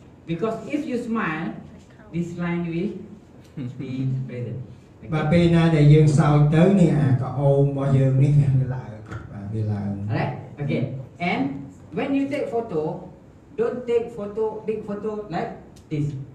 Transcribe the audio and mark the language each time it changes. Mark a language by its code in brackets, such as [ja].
[en] because if you smile this line will be present [km] បាទពេលណាដែលយើងសើចទៅនេះអាកោអូមរបស់យើងនេះវាឡើងបាទវាឡើង [en] Right. Okay, and when you take photo, don't take photo, big photo like this.